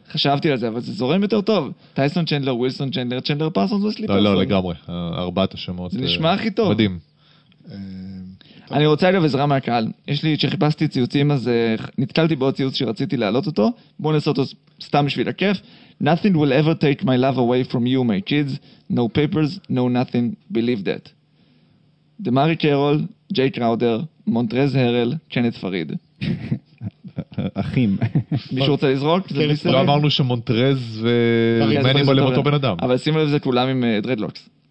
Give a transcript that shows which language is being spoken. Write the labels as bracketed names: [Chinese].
[Hebrew] חשבתי על זה, אבל זה זורם יותר טוב. טייסון צ'נדלר, ווילסון צ'נדלר, צ'נדלר פרסון וסלי פרסון. לא, לגמרי. ארבעת השמות. זה נשמע הכי טוב. מדהים. אני רוצה אגב עזרה מהקהל. יש לי, כשחיפשתי ציוצים, אז נתקלתי בעוד ציוץ שרציתי להעלות אותו. בואו נעשה אותו סתם בשביל הכיף. [English] Nothing will ever take my love away from you, my kids. No papers, no nothing. Believe that. [Hebrew] דמרי קרול, ג'יי קראודר, מונטרז הרל, קנת פריד. אחים. מישהו רוצה לזרוק? לא אמרנו שמונטרז ומני מולם אותו בן אדם. אבל שימו לב, זה כולם עם דרדלוקס.